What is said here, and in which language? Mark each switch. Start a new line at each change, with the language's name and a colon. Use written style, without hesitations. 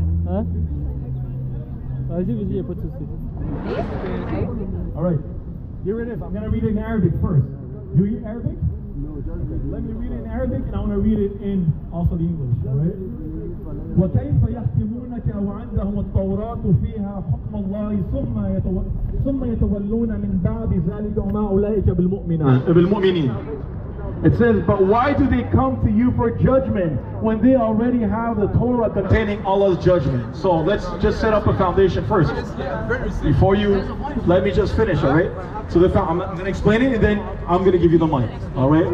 French: Huh? Vas-y, y'a pas de soucis.
English: All right. Here it is. I'm going to read it in Arabic first. Do you read Arabic? Let me read it in Arabic and I want to read it in also the English, right?
Arabic: وكيف يحكمونك وعندهم التوراة فيها حكم الله ثم يتولون من بعد ذلك وما أولئك بالمؤمنين.
English: It says, but why do they come to you for judgment when they already have the Torah containing Allah's judgment? So let's just set up a foundation first. Before you, let me just finish, all right? So I'm going to explain it and then I'm going to give you the mic, all right?